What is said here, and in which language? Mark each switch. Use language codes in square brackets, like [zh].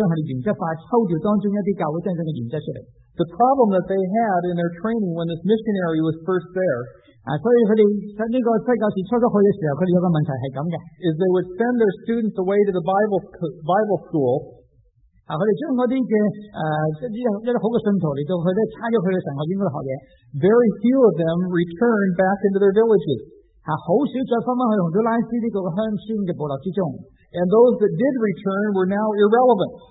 [en] The problem that they had in their training when this missionary was first there is they would send their students away to the Bible school. [zh] 他們將那些好的信徒來到他們參與他們的神學院學業。 [en] Very few of them returned back into their villages. [zh] 很少再回到洪都拉斯這個鄉村的部落之中。 [en] And those that did return were now irrelevant.